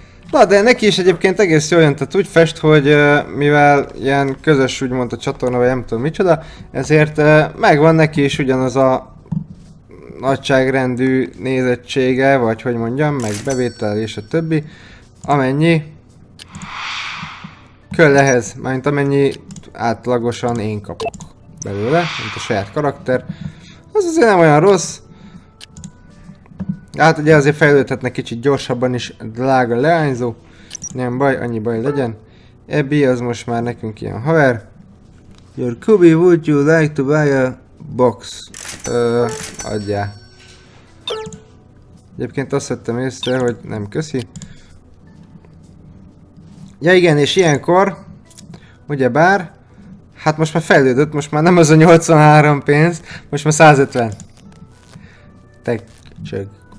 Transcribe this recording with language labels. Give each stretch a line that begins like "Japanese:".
Hungarian: Na, de neki is egyébként egész jól jön, tehát úgy fest, hogy mivel ilyen közös úgymond a csatorna, vagy nem tudom micsoda, ezért megvan neki is ugyanaz a nagyságrendű nézettsége, vagy hogy mondjam, meg bevétel és a többi, amennyi köll ehhez, mármint amennyi átlagosan én kapok belőle, mint a saját karakter. Az azért nem olyan rossz. Hát ugye azért fejlődhetne kicsit gyorsabban is, drága leányzó. Nem baj, annyi baj legyen. Abby az most már nekünk ilyen haver.
English: Your Kubi, would you like to buy a box?
Hungarian: Adjá. Egyébként azt vettem észre, hogy nem köszi. Ja igen, és ilyenkor, ugyebár, hát most már fejlődött, most már nem az a 83 pénz, most már 150. Te csög.